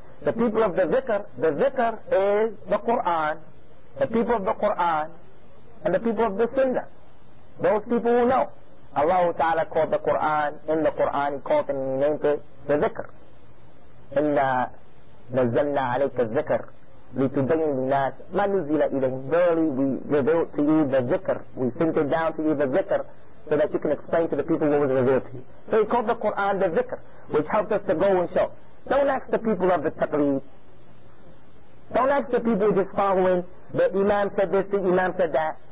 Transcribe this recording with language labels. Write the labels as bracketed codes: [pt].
[en] The people of the zikr is the Quran, the people of the Quran, and the people of the Sunnah. Those people who know. Allah Ta'ala called the Quran, in the Quran He called it and He named it the zikr. [ar] نزلنا عليك الذكر لتبين الناس ما نزل إليهم. [en] Verily we revealed to you the zikr, we sent it down to you the zikr, so that you can explain to the people what was revealed to you. So he called the Quran the zikr, which helped us to go and show. Don't ask the people of the taqlid. Don't ask the people just following the imam said this, the imam said that.